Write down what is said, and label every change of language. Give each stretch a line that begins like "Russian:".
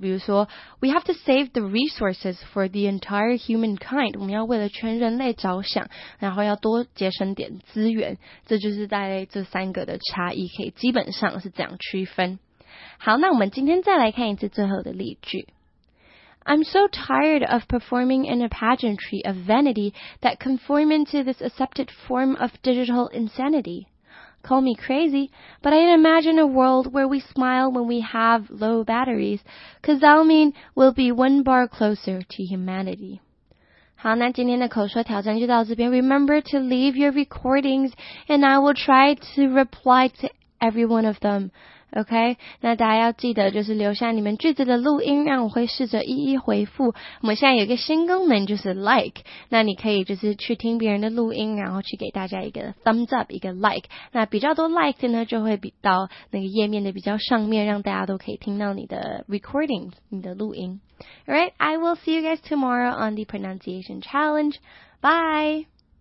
English: 比如说 ，we have to save the resources for the entire humankind。
Chinese: 我们要为了全人类着想，然后要多节省点资源。这就是在这三个的差异，可以基本上是这样区分。好，那我们今天再来看一次最后的例句。
English: I'm so tired of performing in a pageantry of vanity that conform into this accepted form of digital insanity. Call me crazy, but I imagine a world where we smile when we have low batteries, because that'll mean we'll be one bar closer to humanity.
Chinese: 好，那今天的口说挑战就到这边。
English: Remember to leave your recordings, and I will try to reply to every one of them.
Chinese: OK, 那大家要记得就是留下你们句子的录音，让我会试着一一回复。我们现在有一个新功能就是 like, 那你可以就是去听别人的录音，然后去给大家一个 thumbs up, 一个 like, 那比较多 like 的呢就会比到那个页面的比较上面，让大家都可以听到你的 recording, 你的录音。 Alright, I will see you guys tomorrow on the pronunciation challenge. Bye!